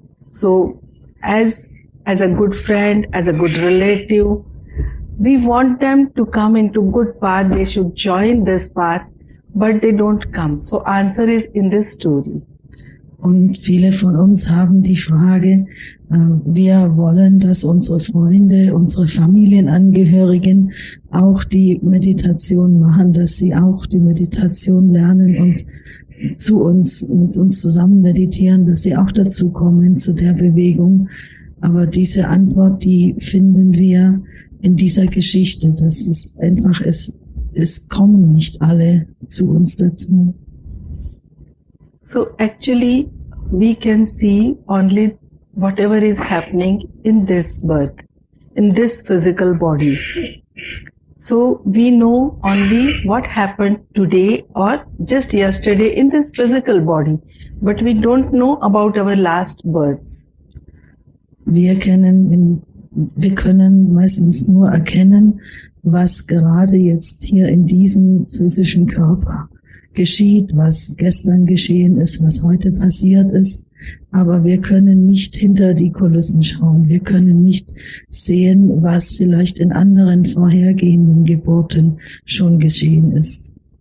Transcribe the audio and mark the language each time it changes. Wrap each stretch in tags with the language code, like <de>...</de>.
<en>So as a good friend, as a good relative, we want them to come into good path. They should join this path, but they don't come. So answer is in this story.</en> <de>Und viele von uns haben die Frage, wir wollen, dass unsere Freunde, unsere Familienangehörigen auch die Meditation machen, dass sie auch die Meditation lernen und zu uns, mit uns zusammen meditieren, dass sie auch dazu kommen zu der Bewegung. Aber diese Antwort, die finden wir in dieser Geschichte, dass es einfach ist, es kommen nicht alle zu uns dazu.</de> <en>So actually, we can see only whatever is happening in this birth, in this physical body. So we know only what happened today or just yesterday in this physical body, but we don't know about our last births.</en> <de>Wir können meistens nur erkennen, was gerade jetzt hier in diesem physischen Körper geschieht, was gestern geschehen ist, was heute passiert ist. Aber wir können nicht hinter die Kulissen schauen. Wir können nicht sehen, was vielleicht in anderen vorhergehenden Geburten schon geschehen ist.</de>